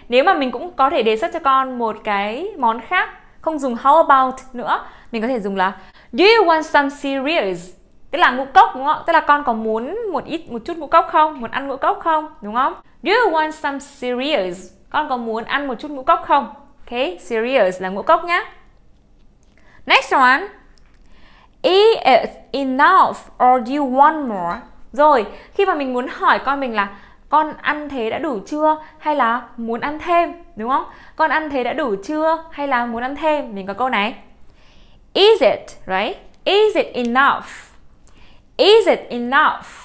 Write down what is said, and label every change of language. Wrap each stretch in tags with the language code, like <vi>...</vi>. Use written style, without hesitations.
<vi>Nếu mà mình cũng có thể đề xuất cho con một cái món khác, không dùng</vi> <en>how about</en> <vi>nữa, mình có thể dùng là</vi> <en>do you want some cereals?</en> <vi>Tức là ngũ cốc đúng không? Tức là con có muốn một chút ngũ cốc không? Muốn ăn ngũ cốc không? Đúng không?</vi> <en>Do you want some cereals?</en> <vi>Con có muốn ăn một chút ngũ cốc không? Okay, cereals là ngũ cốc nhá.</vi> <en>Next one. Is it enough or do you want more?</en> <vi>Rồi, khi mà mình muốn hỏi con mình là con ăn thế đã đủ chưa hay là muốn ăn thêm, đúng không? Con ăn thế đã đủ chưa hay là muốn ăn thêm? Mình có câu này.</vi> <en>Is it, right? Is it enough? Is it enough?</en>